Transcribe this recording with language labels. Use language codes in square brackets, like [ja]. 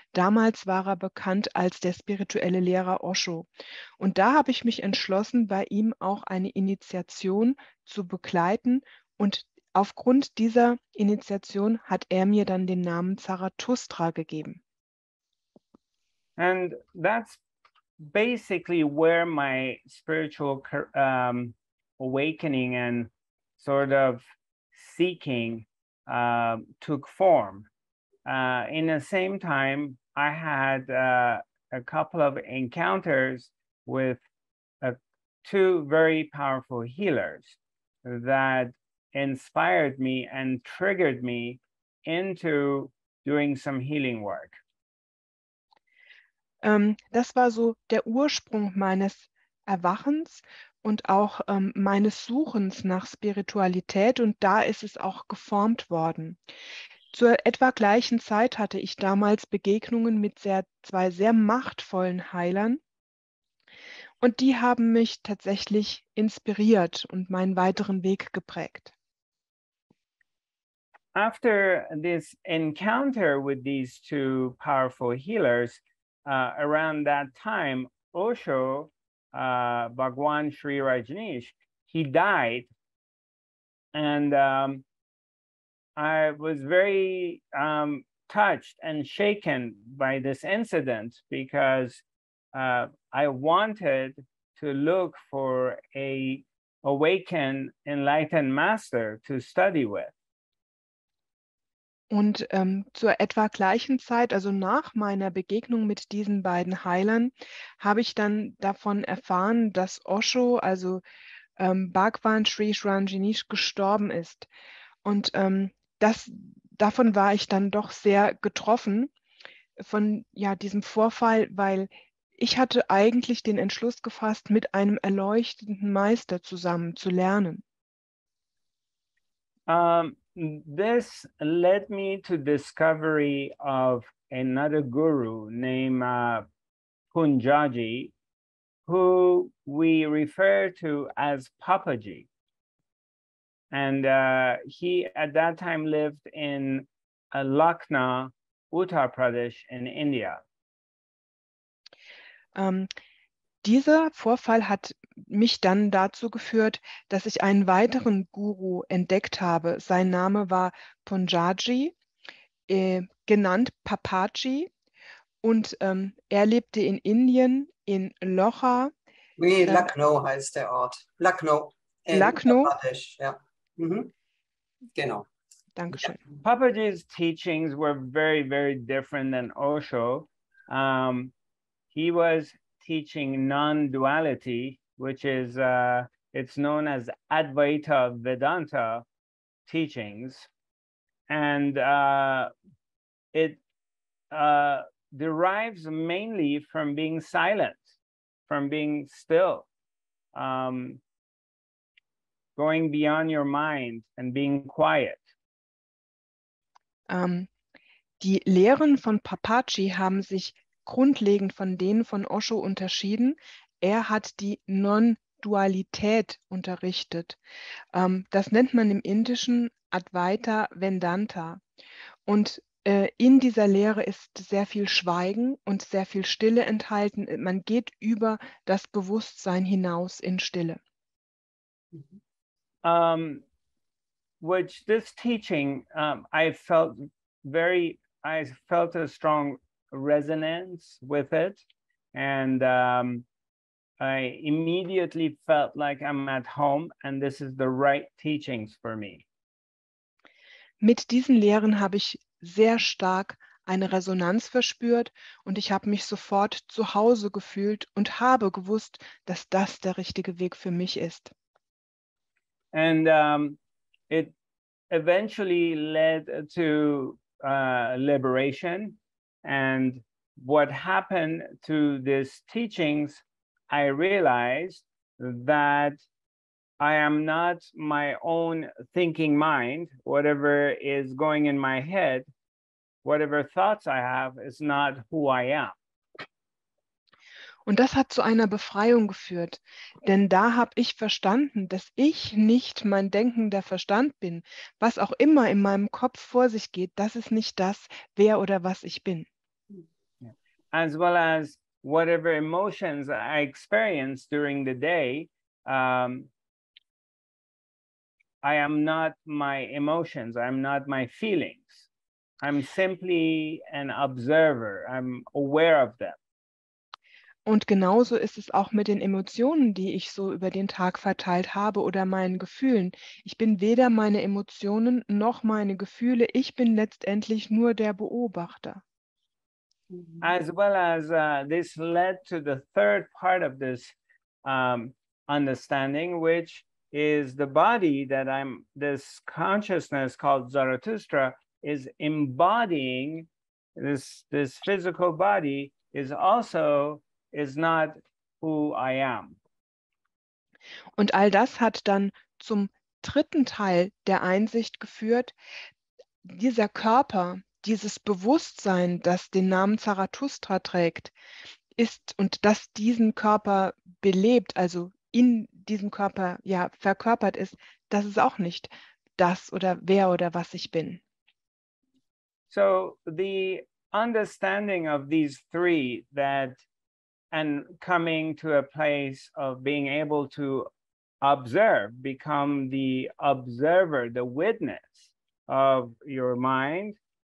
[de] Damals war er bekannt als der spirituelle Lehrer Osho. Und da habe ich mich entschlossen, bei ihm auch eine Initiation zu begleiten. Und aufgrund dieser Initiation hat er mir dann den Namen Zarathustra gegeben. [en] And that's basically where my spiritual awakening and sort of seeking took form. In the same time, I had a couple of encounters with two very powerful healers that inspired me and triggered me into doing some healing work. [de] Das war so der Ursprung meines Erwachens und auch meines Suchens nach Spiritualität, und da ist es auch geformt worden. Zur etwa gleichen Zeit hatte ich damals Begegnungen mit zwei sehr machtvollen Heilern, und die haben mich tatsächlich inspiriert und meinen weiteren Weg geprägt. [en] After this encounter with these two powerful healers, around that time, Osho, Bhagwan Sri Rajneesh, he died. And I was very touched and shaken by this incident, because I wanted to look for a awakened, enlightened master to study with. [de] Und zur etwa gleichen Zeit, also nach meiner Begegnung mit diesen beiden Heilern, habe ich dann davon erfahren, dass Osho, also Bhagwan Sri Ranjanish, gestorben ist. Und davon war ich dann doch sehr getroffen von diesem Vorfall, weil ich hatte eigentlich den Entschluss gefasst, mit einem erleuchtenden Meister zusammen zu lernen. [en] This led me to discovery of another guru named Punjaji, who we refer to as Papaji. And he at that time lived in Lucknow, Uttar Pradesh in India. [de] Dieser Vorfall hat mich dann dazu geführt, dass ich einen weiteren Guru entdeckt habe. Sein Name war Punjaji, genannt Papaji, und er lebte in Indien, in Locha. Nee, Lucknow heißt der Ort. Lucknow. Lucknow. Ja. Mhm. Genau. Dankeschön. Ja. [en] Papaji's teachings were very, very different than Osho. He was teaching non-duality, which is it's known as Advaita Vedanta teachings, and it derives mainly from being silent, from being still, going beyond your mind and being quiet. [de] Die Lehren von Papaji haben sich grundlegend von denen von Osho unterschieden. Er hat die Non-Dualität unterrichtet. Das nennt man im Indischen Advaita Vedanta. Und in dieser Lehre ist sehr viel Schweigen und sehr viel Stille enthalten. Man geht über das Bewusstsein hinaus in Stille. [en] Which this teaching, I felt a strong resonance with it, and I immediately felt like I'm at home and this is the right teachings for me. [de] Mit diesen Lehren habe ich sehr stark eine Resonanz verspürt und ich habe mich sofort zu Hause gefühlt und habe gewusst, dass das der richtige Weg für mich ist. [en] And it eventually led to liberation. And what happened to these teachings, I realized that I am not my own thinking mind. Whatever is going in my head, whatever thoughts I have, is not who I am. [de] Und das hat zu einer Befreiung geführt. Denn da habe ich verstanden, dass ich nicht mein denkender Verstand bin. Was auch immer in meinem Kopf vor sich geht, das ist nicht das, wer oder was ich bin. [en] As well as whatever emotions I experience during the day, I am not my emotions, I'm not my feelings. I'm simply an observer, I'm aware of them. [de] Und genauso ist es auch mit den Emotionen, die ich so über den Tag verteilt habe oder meinen Gefühlen. Ich bin weder meine Emotionen noch meine Gefühle, ich bin letztendlich nur der Beobachter. [en] As well as this led to the third part of this understanding, which is the body that I'm, this consciousness called Zarathustra is embodying, this physical body is also, is not who I am. [de] Und all das hat dann zum dritten Teil der Einsicht geführt, dieser Körper, dieses Bewusstsein, das den Namen Zarathustra trägt, ist und das diesen Körper belebt, also in diesem Körper ja verkörpert ist, das ist auch nicht das oder wer oder was ich bin. [en] So the understanding of these three that and coming to a place of being able to observe, become the observer, the witness of your mind,